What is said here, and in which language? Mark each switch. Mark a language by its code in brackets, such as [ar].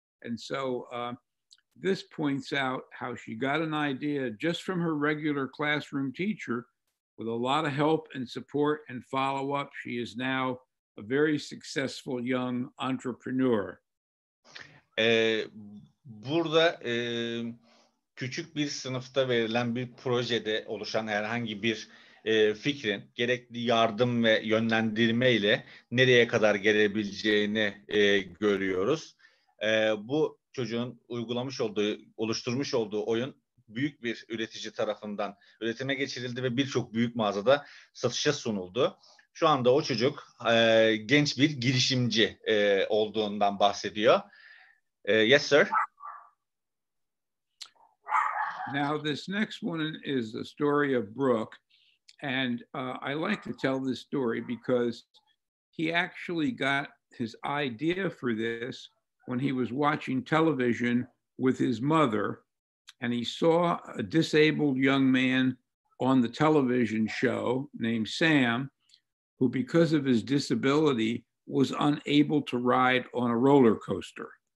[en] And so this points out how she got an idea just from her regular classroom teacher. With a lot of help and support and follow-up, she is now a very successful young entrepreneur. [tr] Burada... Küçük bir sınıfta verilen bir projede oluşan herhangi bir fikrin gerekli yardım ve yönlendirme ile nereye kadar gelebileceğini görüyoruz. Bu çocuğun oluşturmuş olduğu oyun büyük bir üretici tarafından üretime geçirildi ve birçok büyük mağazada satışa sunuldu. Şu anda o çocuk genç bir girişimci olduğundan bahsediyor. [en] Yes, sir. Now, this next one is the story of Brooke, and I like to tell this story because he actually got his idea for this when he was watching television with his mother, and he saw a disabled young man on the television show named Sam, who, because of his disability, was unable to ride on a roller coaster.